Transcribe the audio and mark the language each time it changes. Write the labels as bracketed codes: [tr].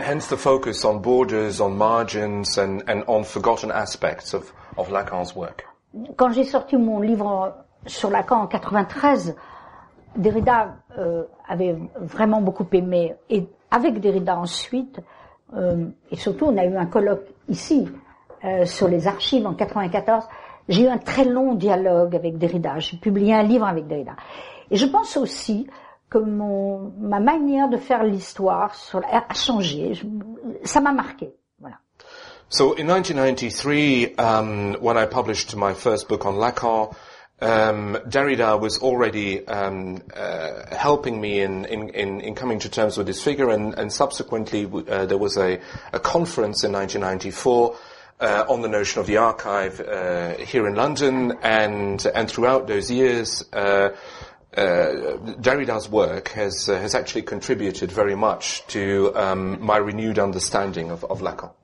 [en] Hence the focus on borders, on margins, and on forgotten aspects of Lacan's work. [fr] Quand j'ai sorti mon livre sur Lacan en 93, Derrida avait vraiment beaucoup aimé, et avec Derrida ensuite, et surtout on a eu un colloque ici sur les archives en 94, j'ai eu un très long dialogue avec Derrida, j'ai publié un livre avec Derrida. Et je pense aussi que ma manière de faire l'histoire a changé, ça m'a marqué. [en] So in 1993, when I published my first book on Lacan, Derrida was already helping me in coming to terms with this figure, and subsequently there was a conference in 1994 on the notion of the archive here in London, and throughout those years Derrida's work has actually contributed very much to my renewed understanding of Lacan.